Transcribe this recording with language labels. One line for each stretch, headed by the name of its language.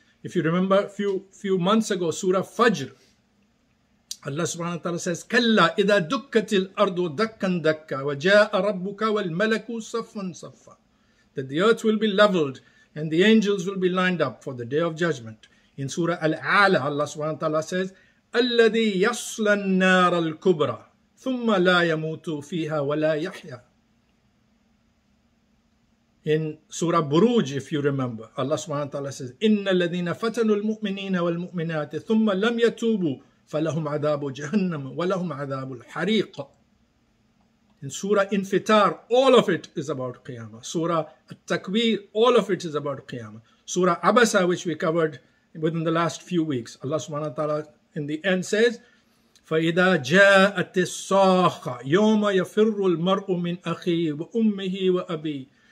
English: If you remember, few months ago, Surah Fajr, Allah subhanahu wa ta'ala says,
Arabic: كَلَّا إِذَا دُكَّتِ الْأَرْضُ دَكَّا دَكَّا وَجَاءَ رَبُّكَ وَالْمَلَكُ صَفًّا صَفًّا.
English: That the earth will be leveled and the angels will be lined up for the day of judgment. In Surah Al-A'la, Allah subhanahu wa ta'ala says,
Arabic: الَّذِي يَصْلَى النَّارَ الْكُبْرَى ثُمَّ لَا يَمُوتُ فِيهَا وَلَا يَحْيَى.
English: In Surah Buruj, if you remember, Allah subhanahu wa ta'ala says,
Arabic: إِنَّ الَّذِينَ فَتَنُوا الْمُؤْمِنِينَ وَالْمُؤْمِنَاتِ ثُمَّ لَمْ يَتُوبُوا فَلَهُمْ عَذَابُ جَهَنَّمُ وَلَهُمْ عَذَابُ الْحَرِيقُ.
English: In Surah Infitar, all of it is about Qiyamah. Surah At-Takwir, all of it is about Qiyamah. Surah Abasa, which we covered within the last few weeks, Allah subhanahu wa ta'ala in the end says,
Arabic: فَإِذَا جَاءَتِ الصَّاخَّةُ يَوْمَ يَفِرُّ الْمَرْءُ مِنْ أَخِيهِ وَأُمِّهِ وَأَبِيهِ.